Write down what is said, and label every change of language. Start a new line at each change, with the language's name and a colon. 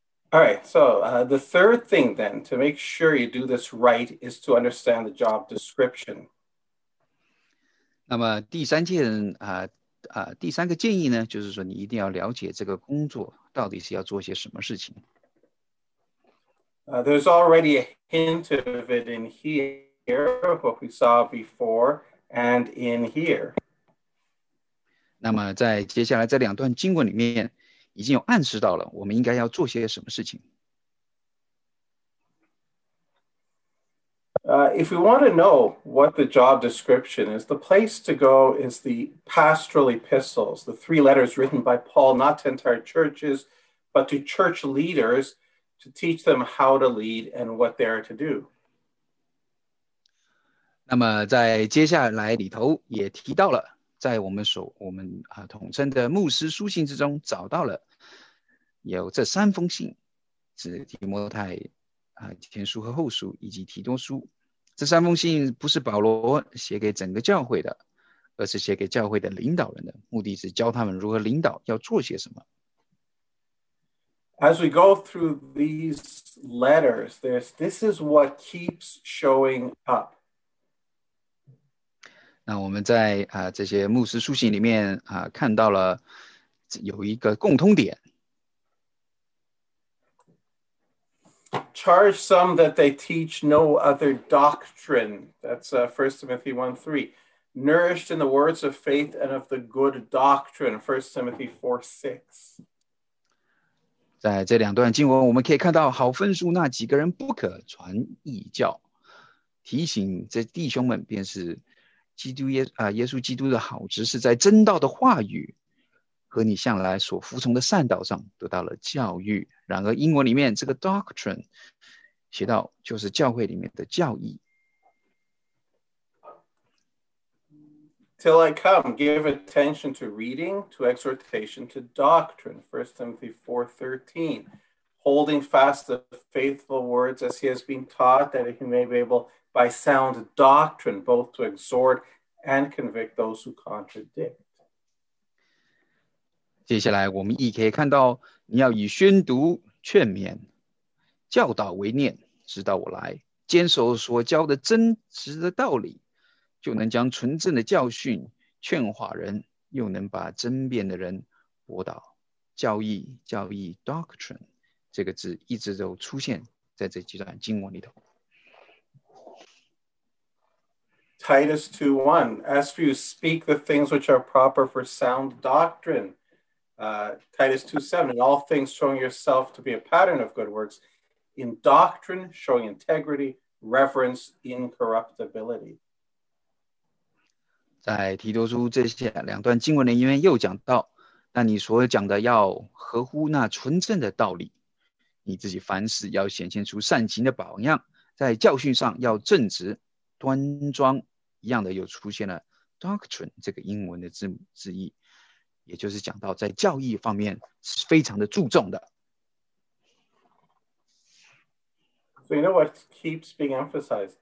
English: All right, so the third thing then to make sure you do this right is to understand the job description.
Chinese: 那么第三件第三个建议呢，就是说你一定要了解这个工作到底是要做些什么事情。
English: There's already a hint of it in here, what we saw before, and in here.
Chinese: 那么在接下来这两段经文里面，已经有暗示到了我们应该要做些什么事情。
English: If we want to know what the job description is, the place to go is the pastoral epistles, the three letters written by Paul, not to entire churches, but to church leaders to teach them how to lead and what they are to do.
Chinese: 那么在接下来里头也提到了，在我们统称的牧师书信之中找到了有这三封信，是提摩太前书和后书以及提多书。这三封信不是保罗写给整个教会的，而是写给教会的领导人的，目的是教他们如何领导，要做些什么。
English: As we go through these letters, this is what keeps showing up.
Chinese: 那我们在这些牧师书信里面看到了有一个共通点。
English: Charge some that they teach no other doctrine. That's 1 Timothy 1:3. Nourished in the words of faith and of the good doctrine. 1 Timothy 4:6.
Chinese: 在这两段经文，我们可以看到，好分数那几个人不可传异教，提醒这弟兄们，便是基督耶稣基督的好执事，在真道的话语和你向来所服从的善道上得到了教育。然而，英文里面这个 doctrine 写到，就是教会里面的教义。
English: Till I come, give attention to reading, to exhortation, to doctrine. 1 Timothy 4:13. Holding fast the faithful words as he has been taught, that he may be able by sound doctrine both to exhort and convict those who contradict.
Chinese: 接下来，我们亦可以看到，你要以宣读、劝勉、教导为念，直到我来，坚守所教的真实的道理。就能将纯正的教训劝化人，又能把争辩的人驳倒。教义 doctrine 这个字一直都出现在这几段经文里头。
English: Titus 2:1, as for you, speak the things which are proper for sound doctrine. Titus 2:7, in all things showing yourself to be a pattern of good works, in doctrine showing integrity, reverence, incorruptibility.
Chinese: 在提多书这些两段经文里面又讲到，但你所讲的要合乎那纯正的道理，你自己凡事要显现出善行的榜样，在教训上要正直端庄。一样的又出现了 doctrine 这个英文的字母字义，也就是讲到在教义方面是非常的注重的。
English: So you know what keeps being emphasized?